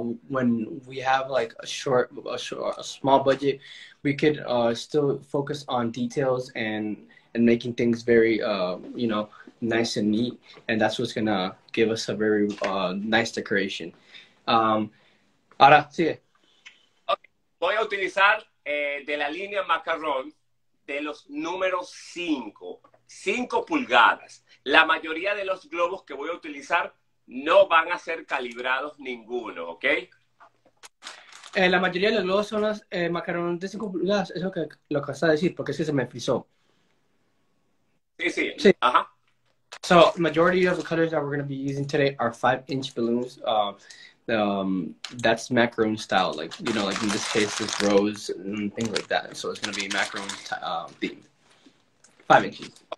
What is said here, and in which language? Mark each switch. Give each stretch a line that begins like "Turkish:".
English: When we have like a small budget, we could still focus on details and making things very, you know, nice and neat, and that's what's gonna give us a very nice decoration.
Spanish: Ahora, sigue. Okay. Voy a utilizar de la línea Macaron de los números 5 pulgadas. La mayoría de los globos que voy a utilizar no van a ser calibrados ninguno, ¿ok? La mayoría de los globos son los Macaron de 5 pulgadas, eso que lo que vas a decir, porque es que se me frizó. Sí. Ajá.
English: So, majority of the colors that we're going to be using today are 5-inch balloons. That's macaroon style, like, you know, like in this case, it's rose and things like that. So, it's going to be macaroon themed. 5 inches.